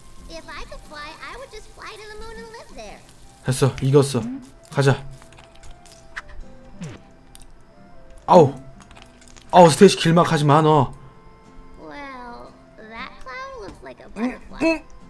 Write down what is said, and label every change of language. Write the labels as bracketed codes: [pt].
[en] If I could fly, I would just fly to the moon and live there. [ko] 됐어, 이겼어. 가자. 아우, 아우 스테이시 길막하지 마 너. [en] Well, that cloud looks like a butterfly.